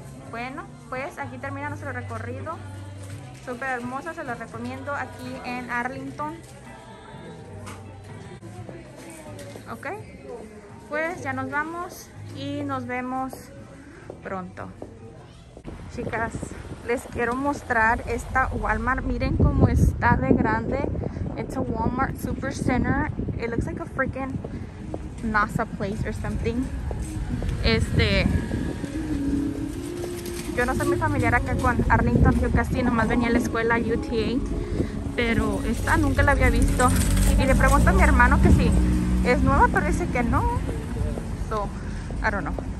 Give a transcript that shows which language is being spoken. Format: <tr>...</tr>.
<es>Bueno, pues aquí termina nuestro recorrido. Súper hermosa, se la recomiendo aquí en Arlington. Ok, pues ya nos vamos. Y nos vemos pronto. Chicas, les quiero mostrar esta Walmart. Miren cómo está de grande.</es> <en>It's a Walmart super center. It looks like a freaking NASA place or something.</en> <es>Yo no soy muy familiar acá con Arlington, yo casi nomás venía a la escuela UTA. Pero esta nunca la había visto. Y le pregunto a mi hermano que si es nueva, pero dice que no.</es> <en>So, I don't know.</en>